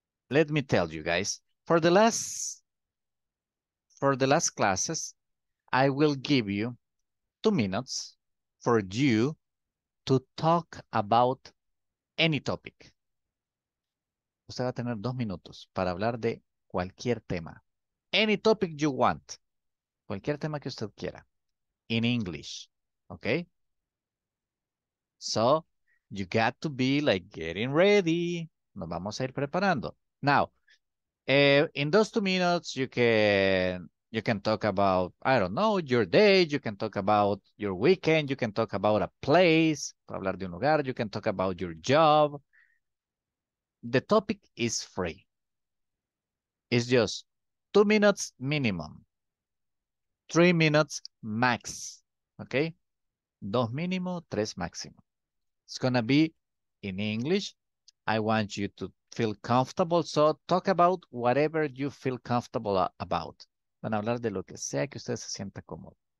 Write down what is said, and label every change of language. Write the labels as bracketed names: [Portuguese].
[English] Let me tell you guys, for the last for the last classes, I will give you 2 minutes for you to talk about any topic. [Spanish] Usted va a tener 2 minutos para hablar de cualquier tema. [English] Any topic you want. [Spanish] Cualquier tema que usted quiera. [English] In English. Okay? So, you got to be like getting ready. [Spanish] Nos vamos a ir preparando. [English] Now, in those 2 minutes, you can talk about, I don't know, your day. You can talk about your weekend. You can talk about a place. [Spanish] Para hablar de un lugar. [English] You can talk about your job. The topic is free. It's just 2 minutes minimum. 3 minutes max. Okay? 2 minimo, 3 maximum. It's going to be in English. I want you to feel comfortable. So talk about whatever you feel comfortable about. [Spanish] Van a hablar de lo que sea que usted se sienta cómodo.